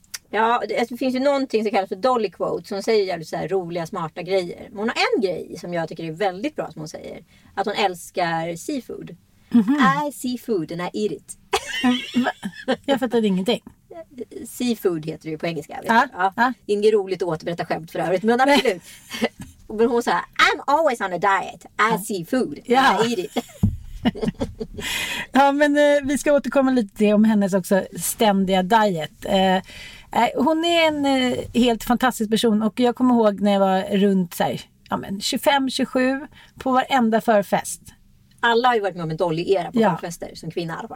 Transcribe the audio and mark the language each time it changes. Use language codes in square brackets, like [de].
[sv] Ja, det finns ju någonting som kallas för Dolly Quote som säger jävligt så här roliga, smarta grejer. Men hon har en grej som jag tycker är väldigt bra som hon säger. Att hon älskar seafood. Mm-hmm. [en] I seafood and I eat it. [sv] Jag fattade ingenting. Seafood heter det ju på engelska. Ah, ja. Ah. Inget roligt att återberätta skämt för övrigt, men absolut. Men hon sa, [en] I'm always on a diet. I see food. [sv] Ja. [en] I eat it. [sv] Ja, men vi ska återkomma lite till om hennes också ständiga diet. Hon är en helt fantastisk person. Och jag kommer ihåg när jag var runt så här, ja, men 25-27 på varenda förfest. Alla har ju varit med om en Dolly era på förfester som kvinnor.